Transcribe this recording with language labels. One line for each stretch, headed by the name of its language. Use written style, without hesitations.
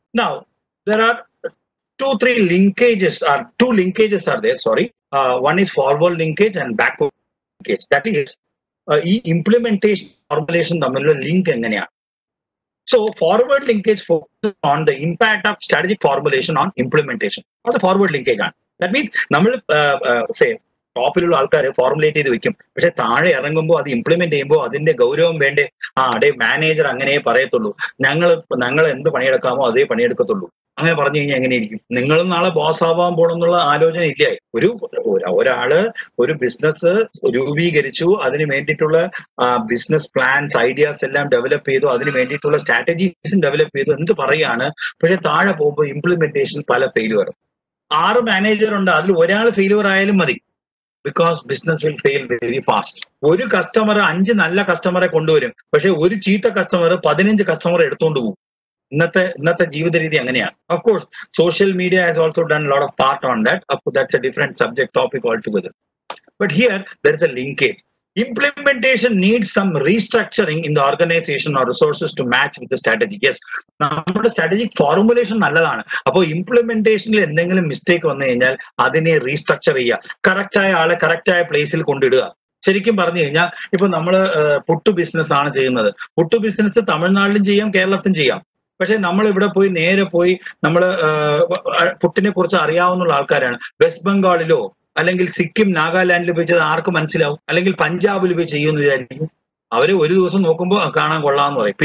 English: Now there are two linkages are there. One is forward linkage and backward linkage. That is
Malayalam: implementation formulation thammulla link enganeya.
English: So forward linkage focuses on the impact of strategic formulation on implementation. What is the forward linkage on?
Malayalam: That means nammal say ടോപ്പിലുള്ള ആൾക്കാർ formulate ചെയ്ത് വെക്കും, പക്ഷെ താഴെ ഇറങ്ങുമ്പോൾ അത് implement ചെയ്യുമ്പോൾ അതിന്റെ ഗൗരവം വേണ്ടേ? ആ അടേ, മാനേജർ അങ്ങനെ പറയത്തുള്ളൂ, ഞങ്ങൾ എന്ത് പണിയെടുക്കാമോ അതേ പണിയെടുക്കത്തുള്ളൂ. അങ്ങനെ പറഞ്ഞു കഴിഞ്ഞാൽ എങ്ങനെയിരിക്കും? നിങ്ങളും നാളെ ബോസ് ആവാൻ പോണെന്നുള്ള ആലോചന ഇല്ല. ഒരു ഒരാള് ഒരു ബിസിനസ് രൂപീകരിച്ചു, അതിന് വേണ്ടിയിട്ടുള്ള ബിസിനസ് പ്ലാൻസ് ഐഡിയാസ് എല്ലാം ഡെവലപ്പ് ചെയ്തു, അതിന് വേണ്ടിയിട്ടുള്ള സ്ട്രാറ്റജീസും ഡെവലപ്പ് ചെയ്തു, എന്ത് പറയാണ്, പക്ഷെ താഴെ പോകുമ്പോൾ ഇംപ്ലിമെന്റേഷൻ പല ഫെയിലുവർ. 6 മാനേജർ ഉണ്ട്, അതിൽ ഒരാൾ ഫെയിലുവർ ആയാലും മതി.
English: Because business will fail very fast.
Malayalam: ഒരു കസ്റ്റമർ 5 നല്ല കസ്റ്റമറെ കൊണ്ടുവരും, പക്ഷെ ഒരു ചീത്ത കസ്റ്റമർ 15 കസ്റ്റമർ എടുത്തുകൊണ്ട് പോകും. ഇന്നത്തെ ജീവിത രീതി അങ്ങനെയാണ്.
English: Of course social media has also done lot of part on that. That's a different subject topic all together. But here there is a linkage. implementation needs some restructuring in the organization or resources to match with the strategy.
Malayalam: Yes, nammude strategic formulation nalladana appo implementation il endengilum mistake vannu kenjal adine restructure kiya correct aaya aale correct aaya place il kondiduga ശരിക്കും പറഞ്ഞു കഴിഞ്ഞാൽ ഇപ്പൊ നമ്മള് puttu business ആണ് ചെയ്യുന്നത്. Puttu business തമിഴ്നാട്ടിലും ചെയ്യാം കേരളത്തിലും ചെയ്യാം. പക്ഷെ നമ്മൾ ഇവിടെ പോയി നേരെ പോയി നമ്മൾ പുട്ടിനെ കുറിച്ച് അറിയാവുന്ന ആൾക്കാരാണ്. വെസ്റ്റ് ബംഗാളിലോ അല്ലെങ്കിൽ സിക്കിം നാഗാലാൻഡിലോ പോയി ചെയ്താൽ ആർക്കും മനസ്സിലാവും? അല്ലെങ്കിൽ പഞ്ചാബിൽ പോയി ചെയ്യുമെന്ന് വിചാരിക്കും. അവര് ഒരു ദിവസം നോക്കുമ്പോൾ കാണാൻ കൊള്ളാന്ന് പറയും.